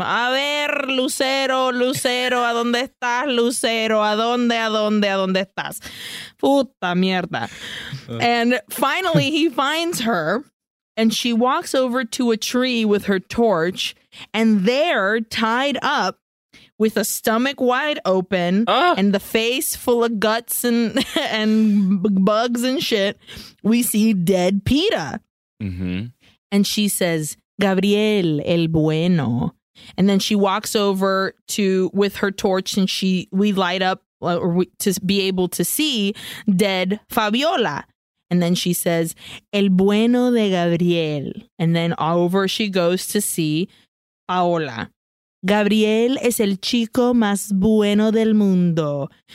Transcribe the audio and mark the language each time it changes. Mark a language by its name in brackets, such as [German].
[Spanish] A ver, Lucero, Lucero, ¿a dónde estás, Lucero? ¿A dónde estás? Puta mierda. [English] And finally, he finds her, and she walks over to a tree with her torch, and there, tied up, with a stomach wide open and the face full of guts and bugs and shit, we see dead Peeta. Mm-hmm. And she says, Gabriel el Bueno. And then she walks over to with her torch, and we light up to be able to see dead Fabiola. And then she says, el Bueno de Gabriel. And then over she goes to see Paola. [Spanish] Gabriel es el chico más bueno del mundo.